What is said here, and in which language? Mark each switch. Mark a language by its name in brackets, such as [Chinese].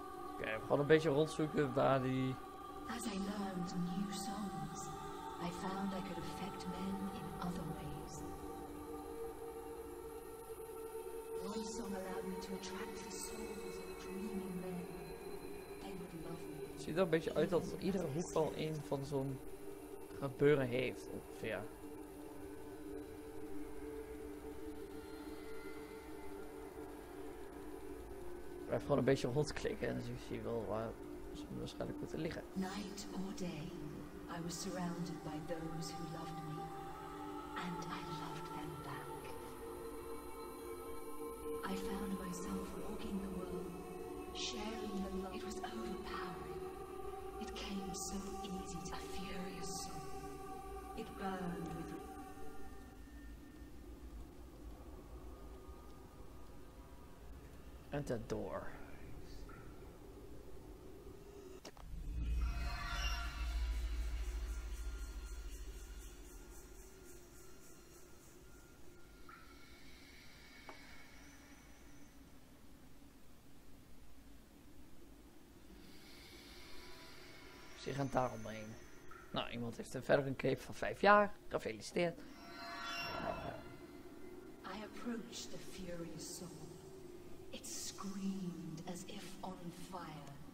[Dutch] Oké, we gaan een beetje rondzoeken waar die... [English] As I learned new songs, I found I could affect men in other ways. One song allowed me to attract the souls of dreaming men. They would love me. [Dutch] Het ziet er een beetje uit dat iedere hoek al een van zo'n gebeuren heeft, ongeveer. Blijf gewoon een beetje rondklikken en dan zie je wel waar ze waarschijnlijk moeten liggen. [English] Night or day. I was surrounded by those who loved me, and I loved them back. I found myself walking the world, sharing the love. It was overpowering. It came so easy to a furious soul. It burned with. And the door. [Dutch] Die gaan daar omheen. Nou, iemand heeft een verder een cape van 5 jaar. Gefeliciteerd. [English] I approached the furious soul. It screamed as if on fire.